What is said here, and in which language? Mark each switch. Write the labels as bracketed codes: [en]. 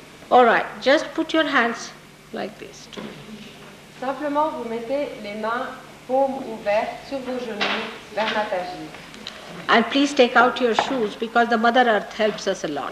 [en] All right, just put your hands like this to me. [fr] Simplement, vous mettez les mains paumes ouvertes sur vos genoux vers Mataji. [en] And please take out your shoes, because the Mother Earth helps us a lot.